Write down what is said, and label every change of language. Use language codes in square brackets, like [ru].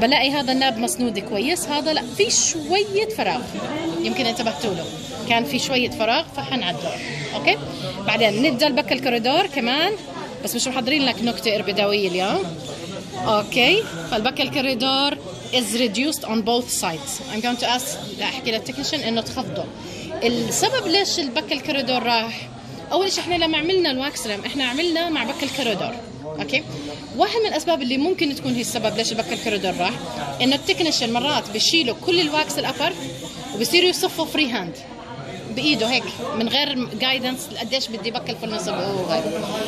[ar] بلاقي هذا الناب مسنود كويس، هذا لا في شويه فراغ، يمكن انتبهتوا له كان في شويه فراغ فحنعدله. اوكي بعدين نبدا البك الكوريدور كمان، بس مش محضرين لك نكته اربداويه اليوم. اوكي فالبك الكوريدور [en] is reduced on both sides. I'm going to ask [ar] احكي للتكنيشن انه تخفضه. السبب ليش البك الكوريدور راح، اول شيء احنا لما عملنا الواكس ريم احنا عملنا مع بك الكوريدور. اوكي واحد من الاسباب اللي ممكن تكون هي السبب ليش البك الكوريدور راح، انه التكنيشن مرات بشيله كل الواكس الابر وبصير يصفه فري هاند بايده هيك من غير جايدنس قديش بدي بك الفولنس وغيره.